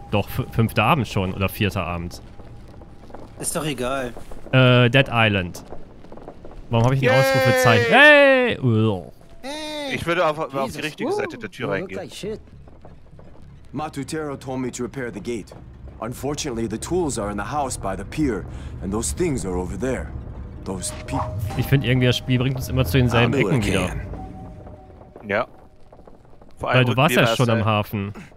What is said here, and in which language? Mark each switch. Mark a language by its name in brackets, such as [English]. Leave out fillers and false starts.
[German] Doch, fünfter Abend schon, oder vierter Abend. Ist doch egal. [English] Dead Island. [German] Warum habe ich ein Ausrufezeichen? Hey! Ich würde auf die richtige Seite der Tür reingehen. [English] Like Matutero told me to repair the gate. Unfortunately, the tools are in the house by the pier, and those things are over there. Those people. [German] Ich finde irgendwie, das Spiel bringt uns immer zu denselben Ecken wieder. Ja. Vor allem, weil du warst ja schon am Hafen.